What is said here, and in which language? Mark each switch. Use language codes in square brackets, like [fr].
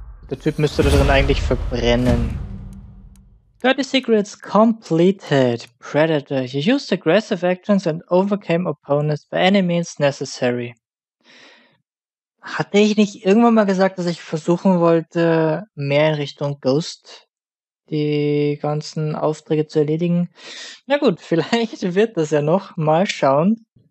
[de] Der Typ müsste da drin eigentlich verbrennen. [en] 30 Secrets completed. Predator, you used aggressive actions and overcame opponents by any means necessary. [de] Hatte ich nicht irgendwann mal gesagt, dass ich versuchen wollte, mehr in Richtung Ghost die ganzen Aufträge zu erledigen? Na gut, vielleicht wird das ja noch. Mal schauen.